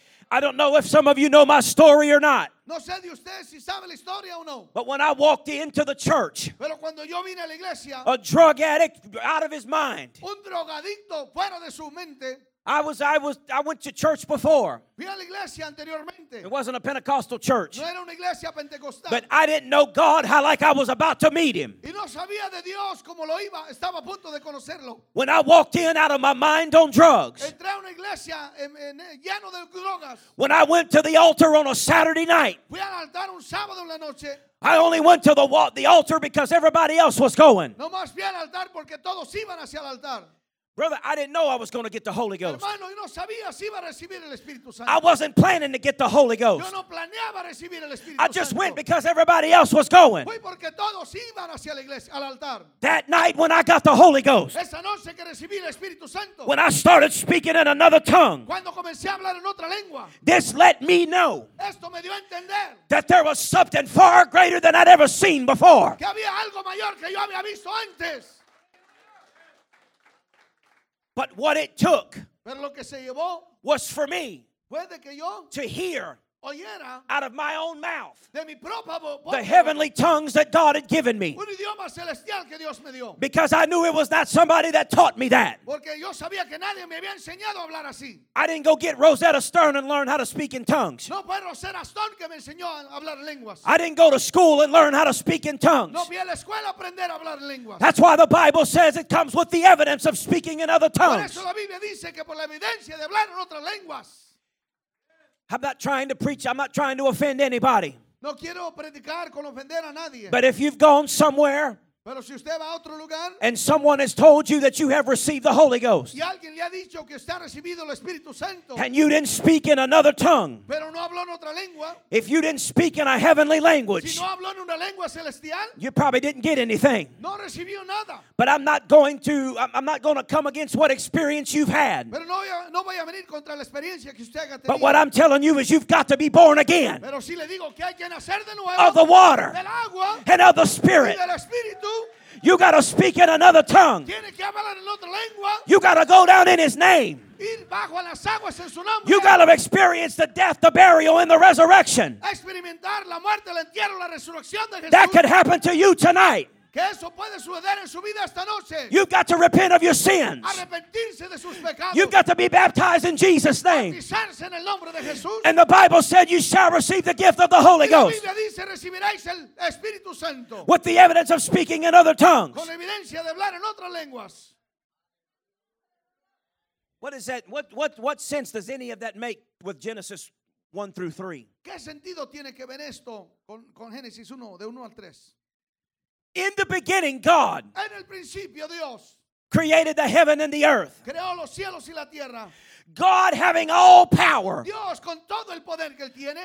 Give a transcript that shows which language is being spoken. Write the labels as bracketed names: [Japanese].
[English] I don't know if some of you know my story or not. [Spanish] No sé de usted si sabe la historia o no. [English] But when I walked into the church, [Spanish] pero cuando yo vine a la iglesia, [English] a drug addict out of his mind, [Spanish] un drogadicto fuera de su mente, [English] I went to church before. [Spanish] Fui a la iglesia anteriormente. [English] It wasn't a Pentecostal church. [Spanish] No era una iglesia pentecostal. [English] But I didn't know God how like I was about to meet him. [Spanish] Y no sabía de Dios como lo iba, estaba a punto de conocerlo. [English] When I walked in out of my mind on drugs. [Spanish] Entré a una iglesia lleno de drogas. [English] When I went to the altar on a Saturday night. [Spanish] Fui al altar un sábado en la noche. [English] I only went to the altar because everybody else was going. [Spanish] No más fui al altar porque todos iban hacia el altar. [English] Brother, I didn't know I was going to get the Holy Ghost. [Spanish] Hermano, yo no sabía si iba a recibir el Espíritu Santo. [English] I wasn't planning to get the Holy Ghost. [Spanish] Yo no planeaba recibir el Espíritu [English] I just [Spanish] Santo. [English] Went because everybody else was going. [Spanish] Fui porque todos iban hacia la iglesia, al altar. [English] That night when I got the Holy Ghost, [Spanish] esa noche que recibí el Espíritu Santo, [English] when I started speaking in another tongue, [Spanish] cuando comencé a hablar en otra lengua, [English] this let me know, [Spanish] esto me dio a entender, [English] that there was something far greater than I'd ever seen before. [Spanish] Que había algo mayor que yo había visto antes. [English] But what it took, [Spanish] pero lo que se llevó, [English] was for me, [Spanish] puede que yo, [English] to hear, [Spanish] oyera, [English] out of my own mouth, [Spanish] de mi propia voz, [English] the heavenly tongues that God had given me. [Spanish] Un idioma celestial que Dios me dio. [English] Because I knew it was not somebody that taught me that. [Spanish] Porque yo sabía que nadie me había enseñado a hablar así. [English] I didn't go get Rosetta Stone and learn how to speak in tongues. [Spanish] No fue Rosetta Stone que me enseñó a hablar lenguas. [English] I didn't go to school and learn how to speak in tongues. [Spanish] No fui a la escuela a aprender a hablar lenguas. [English] That's why the Bible says it comes with the evidence of speaking in other tongues. [Spanish] Por eso la Biblia dice que por la evidencia de hablar en otras lenguas. [English] I'm not trying to preach. I'm not trying to offend anybody. [Spanish] No quiero predicar con ofender a nadie. [English] But if you've gone somewhere, [Spanish] pero si usted va a otro lugar, [English] and someone has told you that you have received the Holy Ghost, [Spanish] y alguien le ha dicho que usted ha recibido el Espíritu Santo, [English] and you didn't speak in another tongue, [Spanish] pero no habló en otra lengua, [English] if you didn't speak in a heavenly language, [Spanish] si no habló en una lengua celestial, [English] you probably didn't get anything. [Spanish] No recibió nada. [English] But I'm not going to come against what experience you've had. [Spanish] Pero no voy a venir contra la experiencia que usted haya tenido. [English] But what I'm telling you is you've got to be born again. [Spanish] Pero si le digo que hay que nacer de nuevo, [English] of the water [Spanish] del agua, [English] and of the Spirit. [Spanish] Y del Espíritu. [English] You got to speak in another tongue. [Spanish] Tiene que hablar en otra lengua. [English] You got to go down in his name. [Spanish] Ir bajo las aguas en su nombre. [English] You got to experience the death, the burial, and the resurrection. [Spanish] Experimentar la muerte, el entierro, la resurrección de Jesús. [English] That could happen to you tonight. [Spanish] Que eso puede suceder en su vida esta noche. [English] You've got to repent of your sins. [Spanish] Arrepentirse de sus pecados. [English] You've got to be baptized in Jesus' name. [Spanish] Bautizarse en el nombre de Jesús. [English] And the Bible said you shall receive the gift of the Holy Ghost. [Spanish] Y la Biblia dice, recibiréis el Espíritu Santo. [English] With the evidence of speaking in other tongues. [Spanish] Con la evidencia de hablar en otras lenguas. [English] What is that? What sense does any of that make with Genesis 1 through 3? [Spanish] ¿Qué sentido tiene que ver esto con Génesis 1, de 1 al 3? [English] In the beginning, God, [Spanish] en el principio, Dios, [English] created the heaven and the earth. [Spanish] Creó los cielos y la tierra. [English] God having all power. [Spanish] Dios con todo el poder que él tiene.